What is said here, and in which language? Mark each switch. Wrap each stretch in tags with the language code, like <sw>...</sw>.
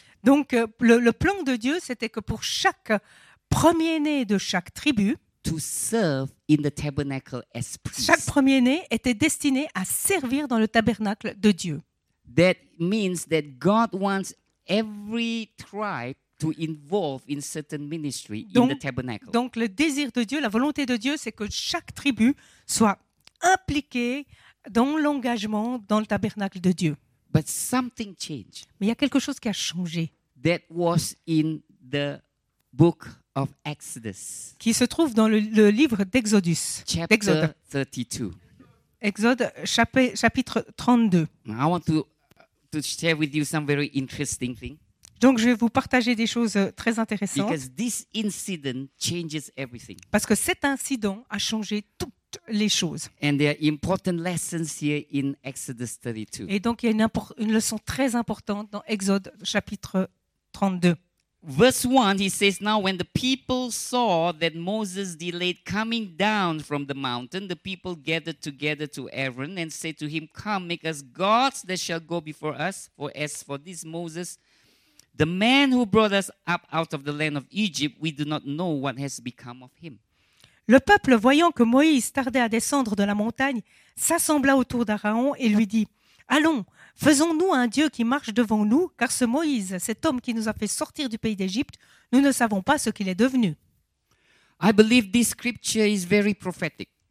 <fr>Donc le plan de Dieu, c'était que pour chaque premier-né de chaque tribu,</fr> <en>to serve in the tabernacle as priest.</en> <fr>Chaque premier-né était destiné à servir dans le tabernacle de Dieu.</fr> <en>That means that God wants every tribe to involve in certain ministry</en> <fr>donc,</fr> <en>in the tabernacle.</en> <fr>Donc le désir de Dieu, la volonté de Dieu, c'est que chaque tribu soit impliquée dans l'engagement dans le tabernacle de Dieu.</fr> <en>But something changed.</en> <fr>Mais il y a quelque chose qui a changé.</fr> <en>That was in the book of Exodus.</en> <fr>Qui se trouve dans le livre d'Exodus.</fr> <en>Chapter</en> <fr>d'Exode.</fr> <en>32.</en> <fr>Exode chapitre 32.</fr> <en>I want to share with you some very interesting thing.</en> <fr>Donc, je vais vous partager des choses très intéressantes.</fr> <en>Because this incident changes everything.</en> <fr>Parce que cet incident a changé toutes les choses.</fr> <en>And there are important lessons here in Exodus 32.</en> <fr>Et donc, il y a une leçon très importante dans Exode chapitre 32.</fr> <en>Verse 1, he says, now when the people saw that Moses delayed coming down from the mountain, the people gathered together to Aaron and said to him, come, make us gods that shall go before us. For as for this Moses, the man who brought us up out of the land of Egypt, we do not know what has become of him.</en> <fr>Le peuple, voyant que Moïse tardait à descendre de la montagne, s'assembla autour d'Aaron et lui dit, allons, faisons-nous un Dieu qui marche devant nous, car ce Moïse, cet homme qui nous a fait sortir du pays d'Égypte, nous ne savons pas ce qu'il est devenu.</fr> <en>I believe this scripture is very prophetic.</en>